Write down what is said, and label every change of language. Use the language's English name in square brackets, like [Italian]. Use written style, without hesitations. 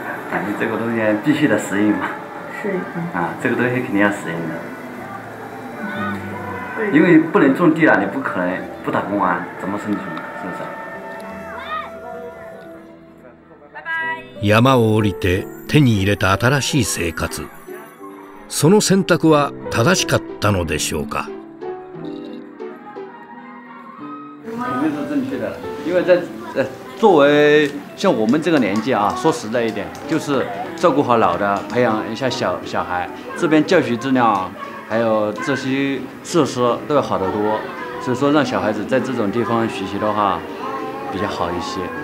[Chinese] 感觉这个东西必须得适应嘛，是啊，这个东西肯定要适应的，因为不能种地了，你不可能不打工啊，怎么生存，是不是？拜拜。 [Japanese] 山を降りて手に入れた新しい生活、その選択は正しかったのでしょうか？ [Chinese] 肯定是正确的，因为在作为像我们这个年纪啊，说实在一点，就是照顾好老的，培养一下小孩，这边教学质量，还有这些设施都要好得多，所以说让小孩子在这种地方学习的话，比较好一些。